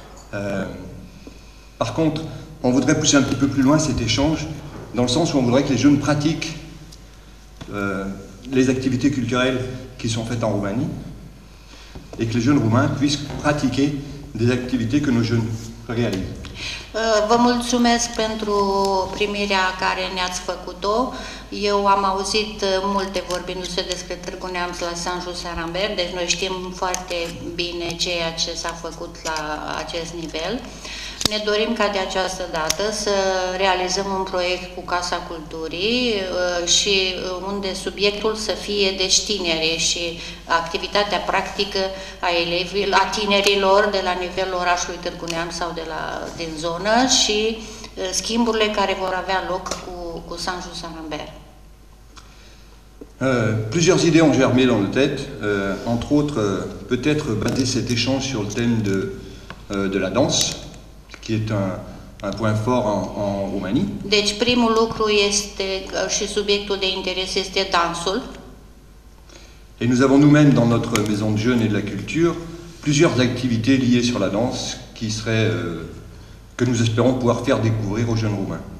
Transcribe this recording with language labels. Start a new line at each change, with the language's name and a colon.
French: Par contre, on voudrait pousser un petit peu plus loin cet échange, dans le sens où on voudrait que les jeunes pratiquent les activités culturelles qui sont faites en Roumanie, et que les jeunes roumains puissent pratiquer des activités que nos jeunes réalisent.
Romanian: Vă mulțumesc pentru primirea care ne-ați făcut-o. Eu am auzit multe vorbindu-se despre Târgu Neamț la Saint-Just-Saint-Rambert, deci noi știm foarte bine ceea ce s-a făcut la acest nivel. Ne dorim ca de această dată să realizăm un proiect cu Casa Culturii și unde subiectul să fie de tineri și activitatea practică a elevilor, a tinerilor de la nivelul orașului Târgu Neamț sau de la, din zonă și schimburile care vor avea loc cu Saint-Just-Saint-Rambert.
French: Plusieurs idées ont germé dans le tête, entre autres peut-être baser cet échange sur le thème de la danse, qui est un point fort en Roumanie.
Romanian: Deci primul lucru este și subiectul de interes este dansul.
French: Et nous avons nous-mêmes dans notre maison de jeunes et de la culture plusieurs activités liées sur la danse qui seraient que nous espérons pouvoir faire découvrir aux jeunes roumains.